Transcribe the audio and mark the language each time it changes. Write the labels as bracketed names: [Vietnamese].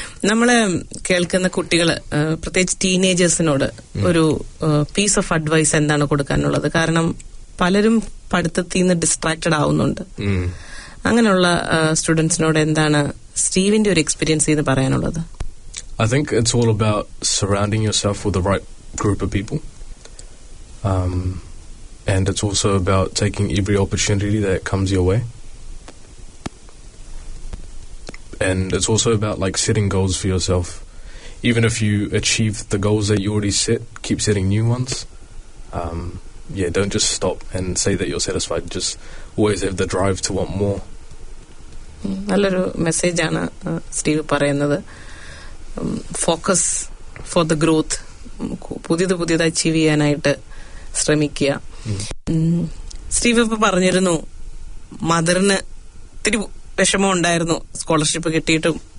[Malayalam] നമ്മള് കേൾക്കുന്ന കുട്ടികള് പ്രത്യേകിച്ച് ടീനേജേഴ്സിനോട് ഒരു പീസ് ഓഫ് അഡ്വൈസ് എന്താണ് കൊടുക്കാനുള്ളത്? കാരണം പലരും പഠിത്തത്തിൽ നിന്ന് ഡിസ്ട്രാക്റ്റഡ് ആവുന്നുണ്ട്. അങ്ങനെയുള്ള സ്റ്റുഡൻസിനോട് എന്താണ് സ്റ്റീവിന്റെ ഒരു എക്സ്പീരിയൻസ് ചെയ്ത് പറയാനുള്ളത്? [English] I think it's all about surrounding yourself with the right group of people. And it's also about taking every opportunity that comes your way. And it's also about like setting goals for yourself. Even if you achieve the goals that you already set, keep setting new ones. Don't just stop and say that you're satisfied. Just always have the drive to want more. [Malayalam] നല്ലൊരു message ആണ് Steve പറയുന്നത്. Focus for the growth, പുതിയത് പുതിയത് achieve ചെയ്യാനായിട്ട് ശ്രമിക്കുക. Steve ഇപ്പൊ പറഞ്ഞിരുന്നു മദറിന് ഒത്തിരി വിഷമമുണ്ടായിരുന്നു സ്കോളർഷിപ്പ് കിട്ടിയിട്ടും.